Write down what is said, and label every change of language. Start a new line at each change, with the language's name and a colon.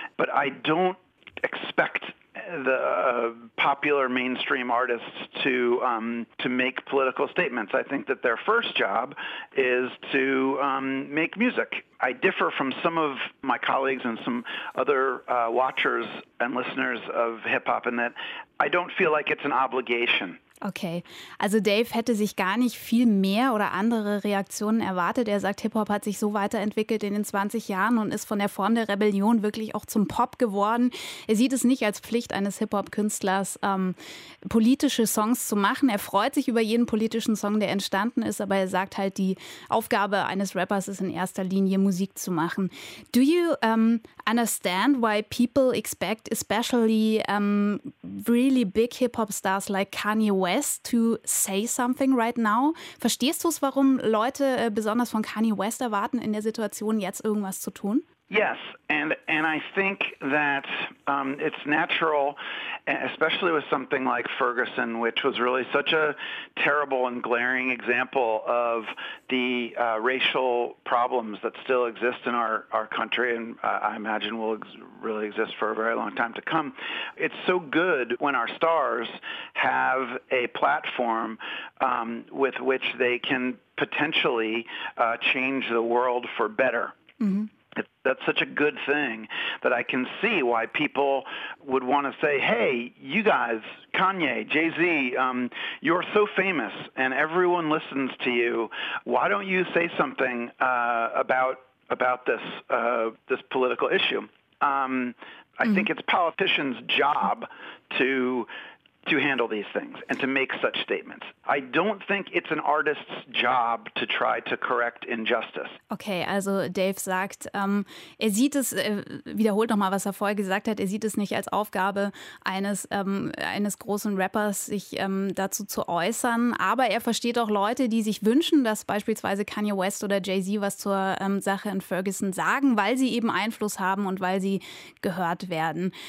English: But I don't expect the popular mainstream artists to make political statements. I think that their first job is to make music. I differ from some of my colleagues and some other watchers and listeners of hip-hop in that I don't feel like it's an obligation.
German: Okay, also Dave hätte sich gar nicht viel mehr oder andere Reaktionen erwartet. Er sagt, Hip-Hop hat sich so weiterentwickelt in den 20 Jahren und ist von der Form der Rebellion wirklich auch zum Pop geworden. Er sieht es nicht als Pflicht eines Hip-Hop-Künstlers, politische Songs zu machen. Er freut sich über jeden politischen Song, der entstanden ist, aber er sagt halt, die Aufgabe eines Rappers ist in erster Linie, Musik zu machen.
English: Do you understand why people expect especially really big Hip-Hop-Stars like Kanye West to say something right now?
German: Verstehst du es, warum Leute besonders von Kanye West erwarten, in der Situation jetzt irgendwas zu tun?
English: Yes, and I think that it's natural, especially with something like Ferguson, which was really such a terrible and glaring example of the racial problems that still exist in our country, and I imagine will really exist for a very long time to come. It's so good when our stars have a platform with which they can potentially change the world for better. Mm-hmm. That's such a good thing that I can see why people would want to say, hey, you guys, Kanye, Jay-Z, you're so famous and everyone listens to you. Why don't you say something about this this political issue? I think it's politicians' job to handle these things and to make such statements. I don't think it's an artist's job to try to correct injustice.
German: Okay, also Dave sagt, er sieht es, wiederholt nochmal, was er vorher gesagt hat, er sieht es nicht als Aufgabe eines großen Rappers, sich dazu zu äußern, aber er versteht auch Leute, die sich wünschen, dass beispielsweise Kanye West oder Jay-Z was zur Sache in Ferguson sagen, weil sie eben Einfluss haben und weil sie gehört werden.